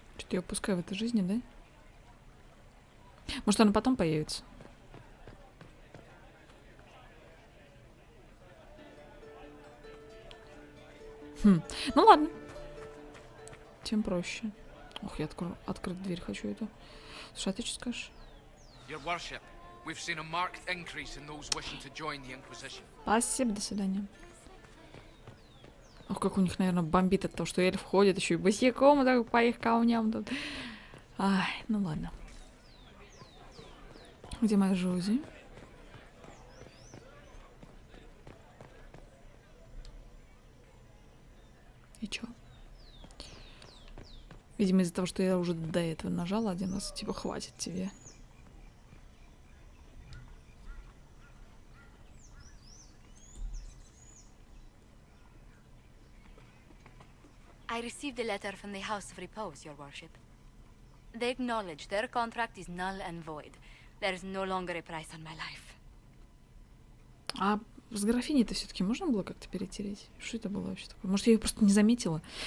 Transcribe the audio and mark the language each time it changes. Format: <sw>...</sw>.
<ru>Я пускаю в этой жизни, да? Может, она потом появится? Хм. Ну ладно. Тем проще. Ох, я открыть дверь хочу эту. Слушай, а ты что скажешь?</ru> <en>Your worship, we've seen a marked increase in those wishing to join the Inquisition.</en> <ru>Спасибо, до свидания. Ох, как у них, наверное, бомбит от того, что эльф ходит еще и босиком так по их камням тут. Ай, ну ладно. Где моя Жози? И чё? Видимо, из-за того, что я уже до этого нажала один раз, типа, хватит тебе.</ru> <en>I received a letter from the House of Repose, Your Worship. They acknowledge their contract is null and void. There is no longer a price on my life.</en> <ru>А с графиней-то все-таки можно было как-то перетереть? Что это было вообще такое? Может, я ее просто не заметила?</ru>